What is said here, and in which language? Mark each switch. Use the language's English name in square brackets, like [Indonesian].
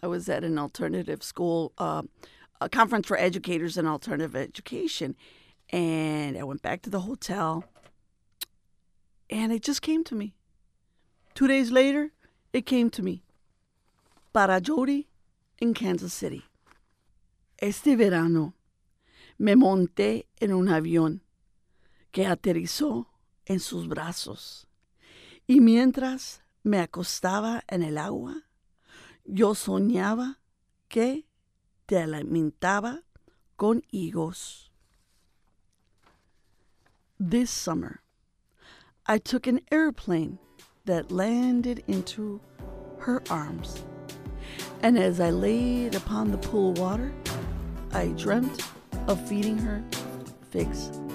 [English] I was at an alternative school, a conference for educators in alternative education. And I went back to the hotel. And it just came to me. 2 days later, it came to me. Para Jody in Kansas City. [Spanish] Este verano, me monté en un avión que aterrizó en sus brazos. Y mientras me acostaba en el agua, yo soñaba que te alimentaba con higos. [English] This summer, I took an airplane that landed into her arms. And as I laid upon the pool water, I dreamt of feeding her figs.